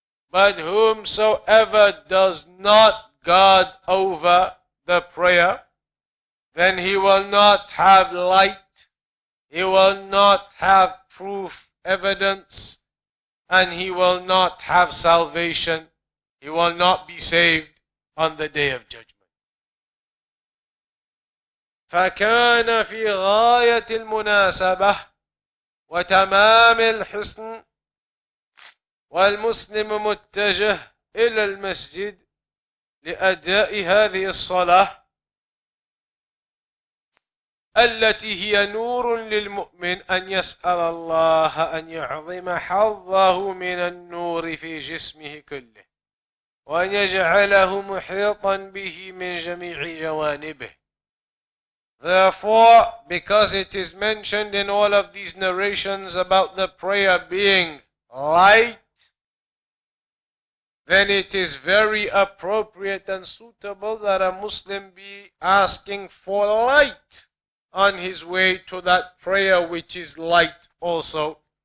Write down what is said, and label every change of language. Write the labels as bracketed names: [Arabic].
[English] But whomsoever does not guard over the prayer, then he will not have light, he will not have proof, evidence, and he will not have salvation. He will not be saved on the Day of Judgment. [Arabic] فَكَانَ فِي غَايَةِ الْمُنَاسَبَةِ وَتَمَامِ الْحِسْنِ وَالْمُسْلِمُ مُتَّجَهُ إِلَى الْمَسْجِدِ لِأَدَاءِ هَذِهِ الصَّلَاةِ التي هي نور للمؤمن أن يسأل الله أن يعظم حظه من النور في جسمه كله وأن يجعله محيطا به من جميع جوانبه. [English] Therefore, because it is mentioned in all of these narrations about the prayer being light, then it is very appropriate and suitable that a Muslim be asking for light on his way to that prayer which is light also.